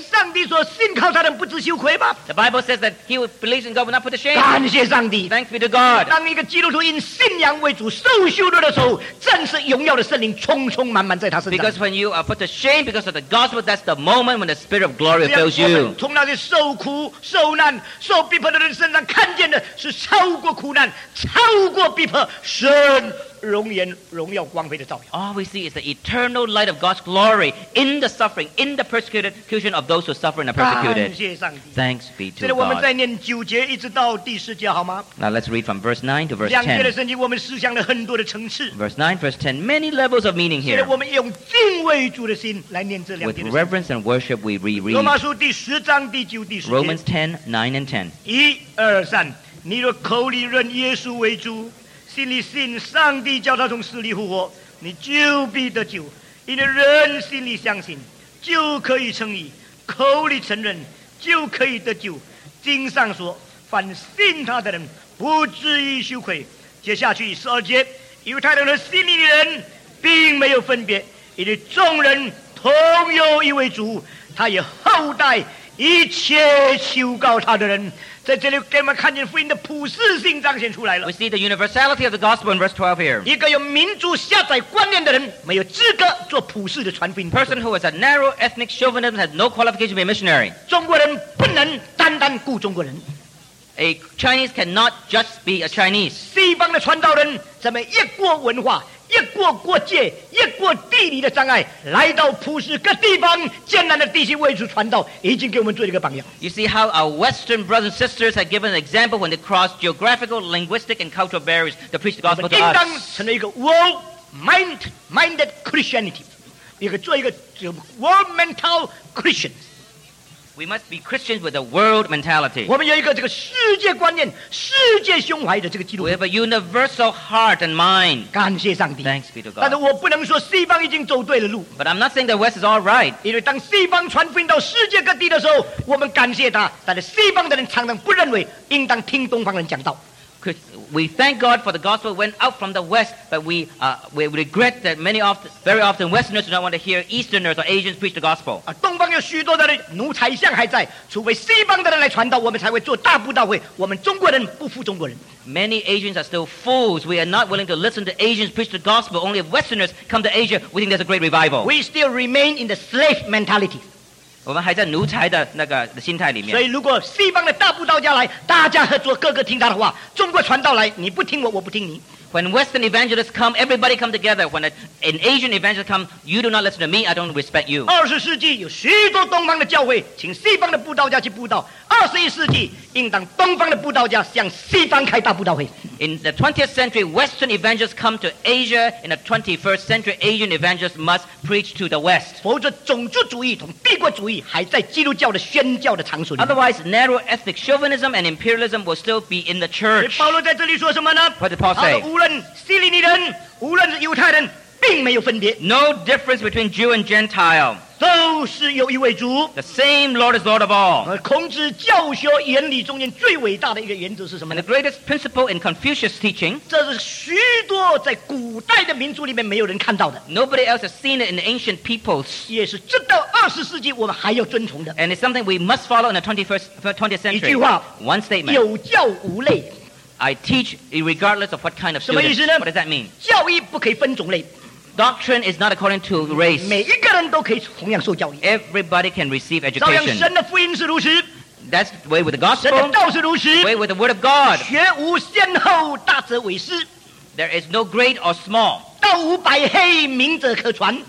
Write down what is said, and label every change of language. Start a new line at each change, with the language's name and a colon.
English: The Bible says that he who believes in God will not put to shame. Thanks be to God. Because when you are put to shame because of the gospel, that's the moment when the spirit of glory fills you.
Chinese: 从那些受苦受难受逼迫的人身上看见的是超过苦难超过逼迫神荣颜荣耀光辉的照耀。
English: All we see is the eternal light of God's glory in the suffering in the persecution of those who suffer and are persecuted.
Chinese: 感谢上帝。
English: Thanks be to God.
Chinese: 现在我们再念九节一直到第十节好吗？
English: Now let's read from verse 9 to verse 10.
Chinese: 两节的圣经我们思想了很多的层次。
English: Verse 9, verse 10, many levels of meaning here.
Chinese: 现在我们用敬畏主的心来念这两节的圣经。
English: With reverence and worship we reread.
Chinese: 罗马书第十章第九第十节。
English: Romans 10, 9 and 10.
Chinese: 一二三，你若口里认耶稣为主，心里信上帝叫他从死里复活，你就必得救。因为人心里相信，就可以称义；口里承认，就可以得救。经上说，凡信他的人不至于羞愧。接下去十二节，犹太人和希利尼人并没有分别，因为众人同有一位主，他也厚待一切求告他的人。在这里给我们看见福音的普世性彰显出来了。
English: We see the universality of the gospel in verse 12 here.
Chinese: 一个有民族狭窄观念的人没有资格做普世的传福音。
English: Person who has a narrow ethnic chauvinism has no qualification to be a missionary.
Chinese: 中国人不能单单顾中国人。
English: A Chinese cannot just be a Chinese.
Chinese: 西方的传道人怎么一国文化一过国界一过地理的障碍来到普世各地方艰难的地区为主传道，已经给我们做了一个榜样。
English: You see how our Western brothers and sisters have given an example when they cross geographical, linguistic and cultural barriers to preach the gospel to us.
Chinese: 我们应当成为一个
English: world-minded Christianity，
Chinese: 一个做一个
English: world-mental Christian。 We must be Christians with a world mentality.
Chinese: 我们有一个这个世界观念世界胸怀的这个基督徒。
English: We have a universal heart and mind.
Chinese: 感谢上帝。
English: Thanks be to God.
Chinese: 但是我不能说西方已经走对了路。
English: But I'm not saying the West is all right.
Chinese: 因为当西方传福音到世界各地的时候，我们感谢他，但是西方的人常常不认为应当听东方人讲道。
English: We thank God for the gospel went out from the West, but we regret that very often Westerners do not want to hear Easterners or Asians preach the gospel.
Chinese: 东方有许多的奴才相还在，除非西方的人来传道，我们才会做大布道会。我们中国人不服中国人。
English: Many Asians are still fools. We are not willing to listen to Asians preach the gospel. Only if Westerners come to Asia, we think there's a great revival. We still remain in the slave mentality.
Chinese: 我们还在奴才的那个的心态里面。所以，如果西方的大布道家来，大家合作，各个听他的话；中国传道来，你不听我，我不听你。
English: When Western evangelists come, everybody come together. When an Asian evangelist come, you do not listen to me. I don't respect you.
Chinese: 二十世纪有许多东方的教会，请西方的布道家去布道。二十一世纪，应当东方的布道家向西方开大布道会。
English: In the 20th century, Western evangelists come to Asia. In the 21st century, Asian evangelists must preach to the West.
Chinese: 否则，种族主义同帝国主义还在基督教的宣教的场所里。
English: Otherwise, narrow ethnic chauvinism and imperialism will still be in the church.
Chinese: 保罗在这里说什么呢
English: ？What did Paul say？
Chinese: 无论希利尼人，无论是犹太人，并没有分别。
English: No difference between Jew and Gentile.
Chinese: 都是有一位主。
English: The same Lord is Lord of all.
Chinese: 孔子教学原理中间最伟大的一个原则是什么
English: ？And the greatest principle in Confucius' teaching.
Chinese: 这是许多在古代的民族里面没有人看到的。
English: Nobody else has seen it in the ancient peoples.
Chinese: 也是直到二十世纪我们还要遵从的。
English: And it's something we must follow in the 20th century.
Chinese: 一句话
English: ，one statement.
Chinese: 有教无类。
English: I teach regardless of what kind of students.
Chinese: 什么意思呢？
English: What does that mean?
Chinese: 教义不可以分种类。
English: Doctrine is not according to race.
Chinese: 每一个人都可以同样受教义。
English: Everybody can receive education.
Chinese: 照样神的福音是如此。
English: That's the way with the gospel.
Chinese: 神的道是如此。
English: Way with the word of God.
Chinese: 学无先后，大者为师。
English: There is no great or small.
Chinese: 道无白黑，明者可传。